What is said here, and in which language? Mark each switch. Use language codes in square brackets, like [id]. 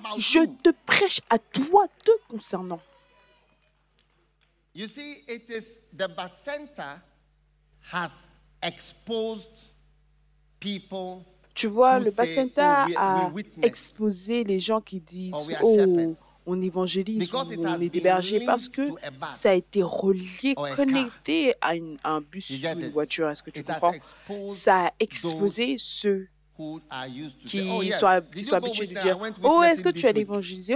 [fr] Je te prêche à toi te concernant. [en] You see, it is the Basenta has exposed people. [fr] Tu vois, le Basenta a exposé les gens qui disent « Oh, on évangélise, on est des bergers » parce que ça a été relié, connecté à un bus ou une voiture. Est-ce que tu comprends? Ça a exposé ceux qui sont habitués de dire « Oh, est-ce que tu es allé évangéliser?